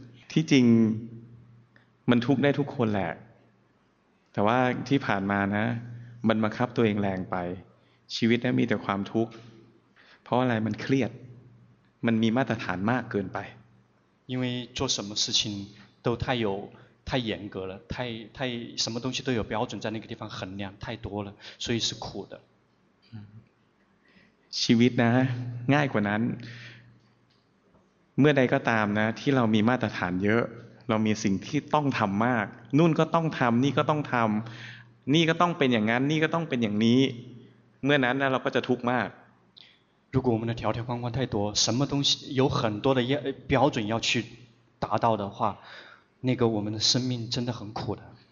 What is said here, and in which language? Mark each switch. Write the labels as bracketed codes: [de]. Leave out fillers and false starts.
[th] ที่จริงมันทุกข์ได้ทุกคนแหละแต่ว่าที่ผ่านมานะมันบังคับตัวเองแรงไปชีวิตนั้นมีแต่ความทุกข์เพราะอะไรมันเครียดมันมีมาตรฐานมากเกินไป [zh] 因为做什么事情都太严格了太什么东西都有标准在那个地方衡量太多了所以是苦的 [th] ชีวิตนะง่ายกว่านั้นเมื่อใดก็ตามนะที่เรามีมาตรฐานเยอะเรามีสิ่งที่ต้องทำมากนู่นก็ต้องทำนี่ก็ต้องทำนี่ก็ต้องเป็นอย่างนั้นนี่ก็ต้องเป็นอย่างนี้เมื่อนั้นนะเราก็จะทุกข์มาก [zh] 如果我们的条条框框太多什么东西有很多的标准要去达到的话那个我们的生命真的很苦的